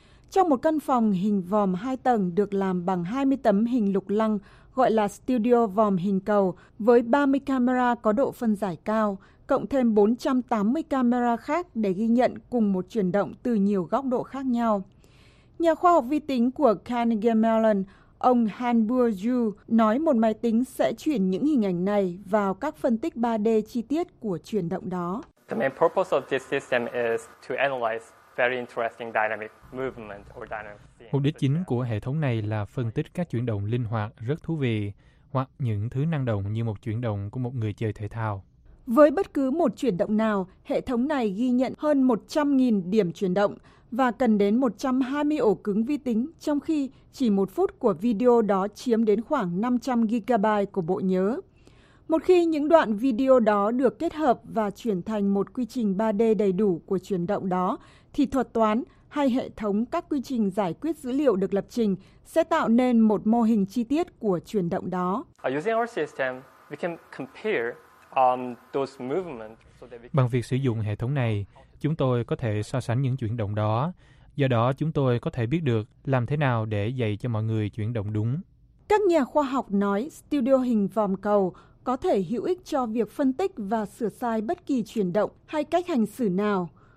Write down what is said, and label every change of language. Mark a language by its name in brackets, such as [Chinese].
[Vietnamese] Trong một căn phòng hình vòm 2 tầng được làm bằng 20 tấm hình lục lăng gọi là studio vòm hình cầu với 30 camera có độ phân giải cao, cộng thêm 480 camera khác để ghi nhận cùng một chuyển động từ nhiều góc độ khác nhau. Nhà khoa học vi tính của Carnegie Mellon, ông Han Bo-ju, nói một máy tính sẽ chuyển những hình ảnh này vào các phân tích 3D chi tiết của chuyển động đó. [English] The main purpose of this system is to analyze very interesting dynamic movement or dynamic scene. [Vietnamese] Mục đích chính của hệ thống này là phân tích các chuyển động linh hoạt rất thú vị hoặc những thứ năng động như một chuyển động của một người chơi thể thao. Với bất cứ một chuyển động nào, hệ thống này ghi nhận hơn 100.000 điểm chuyển động và cần đến 120 ổ cứng vi tính, trong khi chỉ một phút của video đó chiếm đến khoảng 500 GB của bộ nhớ. Một khi những đoạn video đó được kết hợp và chuyển thành một quy trình 3D đầy đủ của chuyển động đó, thì thuật toán hay hệ thống các quy trình giải quyết dữ liệu được lập trình sẽ tạo nên một mô hình chi tiết của chuyển động đó. [English] Using our system, we can compare those movements. [Vietnamese] Bằng việc sử dụng hệ thống này, chúng tôi có thể so sánh những chuyển động đó. Do đó, chúng tôi có thể biết được làm thế nào để dạy cho mọi người chuyển động đúng. Các nhà khoa học nói studio hình vòm cầu có thể hữu ích cho việc phân tích và sửa sai bất kỳ chuyển động hay cách hành xử nào.